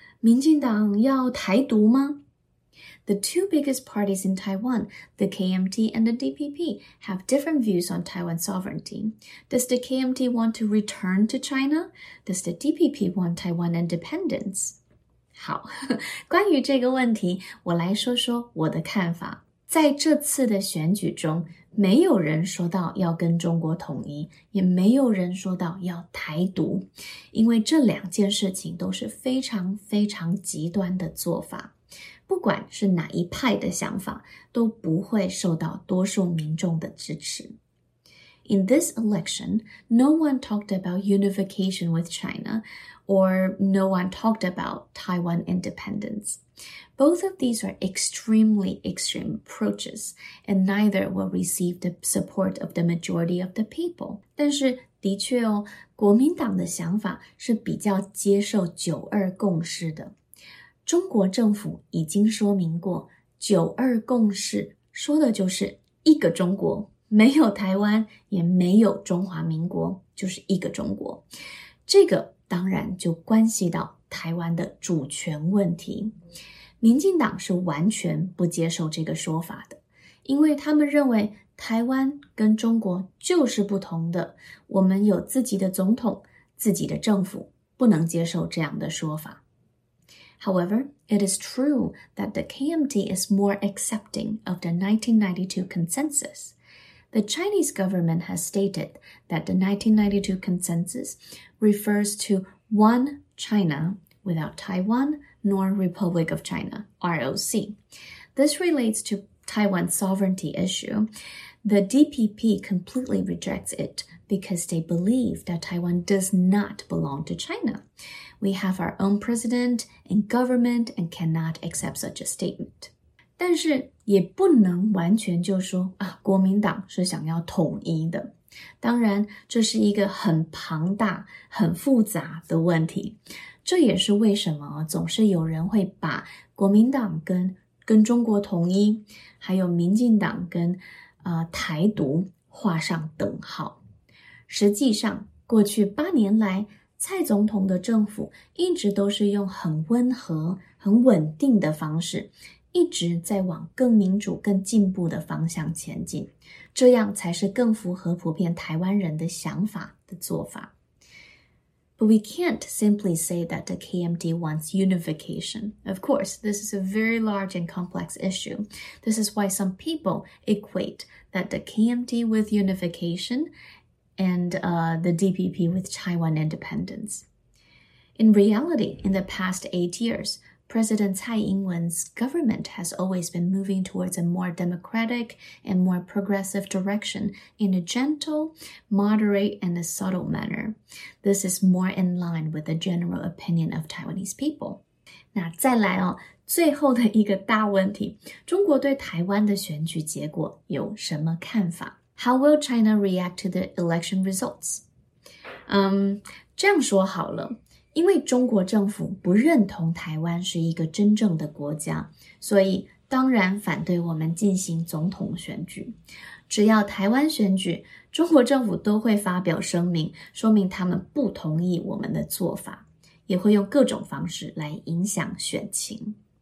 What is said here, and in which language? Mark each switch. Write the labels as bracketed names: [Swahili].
[Chinese] 民进党要台独吗？ [English] The two biggest parties in Taiwan, the KMT and the DPP, have different views on Taiwan's sovereignty. Does the KMT want to return to China? Does the DPP want Taiwan independence? [Chinese] 好，关于这个问题，我来说说我的看法。在这次的选举中，没有人说到要跟中国统一，也没有人说到要台独，因为这两件事情都是非常非常极端的做法。不管是哪一派的想法，都不会受到多数民众的支持。 [English] In this election, no one talked about unification with China, or no one talked about Taiwan independence. Both of these are extremely extreme approaches, and neither will receive the support of the majority of the people. [Chinese] 但是的确哦，国民党的想法是比较接受九二共识的。中国政府已经说明过，九二共识说的就是一个中国，没有台湾，也没有中华民国，就是一个中国。这个当然就关系到台湾的主权问题。民进党是完全不接受这个说法的，因为他们认为台湾跟中国就是不同的，我们有自己的总统，自己的政府，不能接受这样的说法。 [English] However, it is true that the KMT is more accepting of the 1992 consensus. The Chinese government has stated that the 1992 consensus refers to one China without Taiwan nor Republic of China, ROC. This relates to Taiwan's sovereignty issue. The DPP completely rejects it because they believe that Taiwan does not belong to China. We have our own president and government and cannot accept such a statement. [Chinese] 但是也不能完全就说啊，国民党是想要统一的。当然，这是一个很庞大、很复杂的问题。这也是为什么总是有人会把国民党跟中国统一，还有民进党跟台独画上等号。实际上，过去八年来，蔡总统的政府一直都是用很温和、很稳定的方式，一直在往更民主、更进步的方向前进，这样才是更符合普遍台湾人的想法的做法。 [English] But we can't simply say that the KMT wants unification. Of course, this is a very large and complex issue. This is why some people equate that the KMT with unification and the DPP with Taiwan independence. In reality, in the past 8 years, President Tsai Ing-wen's government has always been moving towards a more democratic and more progressive direction in a gentle, moderate, and a subtle manner. This is more in line with the general opinion of Taiwanese people. [Chinese] 那再来哦，最后的一个大问题，中国对台湾的选举结果有什么看法？ [English] How will China react to the election results? [Chinese] 这样说好了，因为中国政府不认同台湾是一个真正的国家，所以当然反对我们进行总统选举。只要台湾选举，中国政府都会发表声明，说明他们不同意我们的做法，也会用各种方式来影响选情。